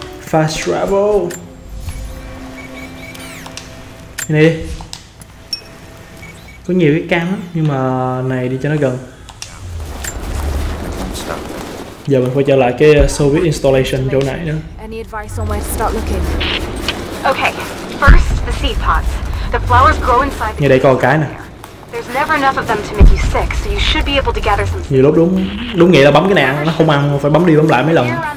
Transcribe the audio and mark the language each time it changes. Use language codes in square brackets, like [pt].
[en] Fast travel. [vi] Nhìn đi. Có nhiều cái cam lắm, nhưng mà này đi cho nó gần. Giờ mình phải trở lại cái Soviet installation chỗ này nữa. [en] Any advice on where to start looking? Okay, first the seed pots. The flowers grow inside. [vi] Nhìn đây có cái nè. [en] There's never enough of them to make you sick, so you should be able to gather some. [vi] Nhiều lúc đúng đúng nghĩa là bấm cái này ăn, nó không ăn phải bấm đi bấm lại mấy lần.